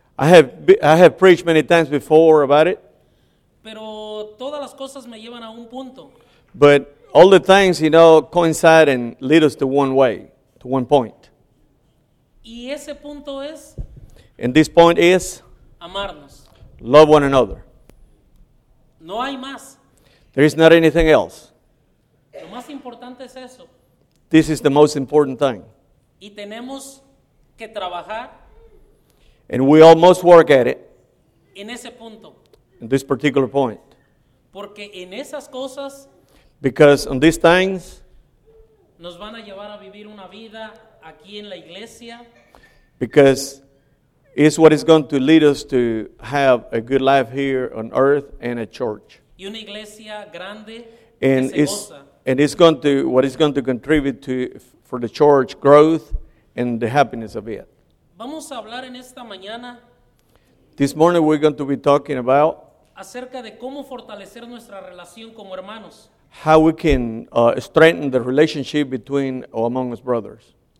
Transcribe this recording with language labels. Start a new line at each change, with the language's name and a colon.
English: I have preached many times before about it.
Spanish: Pero todas las cosas me llevan a un punto.
English: But all the things, you know, coincide and lead us to one way, to one point.
Spanish: Y ese punto es,
English: and this point is,
Spanish: amarnos.
English: Love one another.
Spanish: No hay más.
English: There is not anything else.
Spanish: Lo más importante es eso.
English: This is the most important thing.
Spanish: Y tenemos que trabajar,
English: and we almost work at it.
Spanish: En ese punto.
English: In this particular point.
Spanish: Porque en esas cosas,
English: because on these things,
Spanish: nos van a llevar a vivir una vida aquí en la iglesia,
English: because it's what is going to lead us to have a good life here on earth and at church.
Spanish: Y una iglesia grande,
English: and it's, and it's going to, what is going to contribute to for the church growth and the happiness of it.
Spanish: Vamos a hablar en esta mañana.
English: This morning we're going to be talking about
Spanish: acerca de cómo fortalecer nuestra relación como hermanos.
English: How we can strengthen the relationship between or among us brothers.